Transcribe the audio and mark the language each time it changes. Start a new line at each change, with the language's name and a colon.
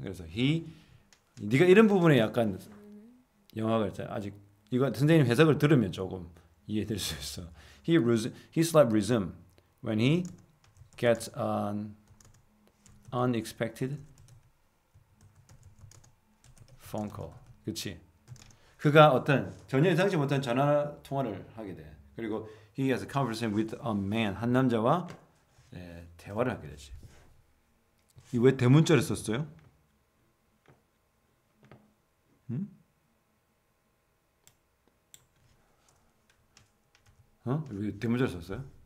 Korean: 그래서 네가 이런 부분에 약간 영화가 아직 이거 선생님 해석을 들으면 조금 이해될 수 있어.
English: His life resumes when he gets an unexpected phone call.
Korean: 그치? 그가 어떤 전혀 예상치 못한 전화 통화를 하게 돼. 그리고
English: he has a conversation with a man.
Korean: 한 남자와 대화를 하게 되지. 이왜 대문자를 썼어요? 응? 어? 왜 대문자를 썼어요?